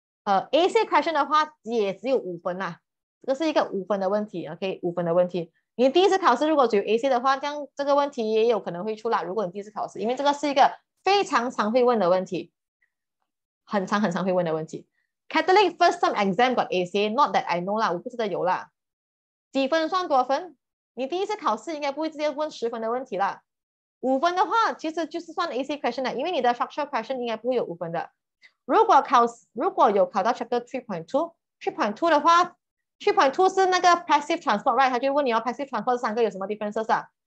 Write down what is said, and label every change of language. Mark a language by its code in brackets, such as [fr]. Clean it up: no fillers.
[zh] AC question 的话也只有五分啊，这个是一个五分的问题， OK， 五分的问题。你第一次考试如果只有 AC 的话，这样这个问题也有可能会出来。如果你第一次考试，因为这个是一个非常常会问的问题，很常很常会问的问题。 [en] Catholic first term exam got AC， not that I know 啦， [zh] 我不记得有啦。几分算多分？你第一次考试应该不会直接问十分的问题啦。五分的话，其实就是算 AC question 的，因为你的 structure question 应该不会有五分的。如果有考到 chapter 3.2 的话。 3.2 是那个 passive transport， right？ 他就问你要 passive transport 三个有什么 differences 啊？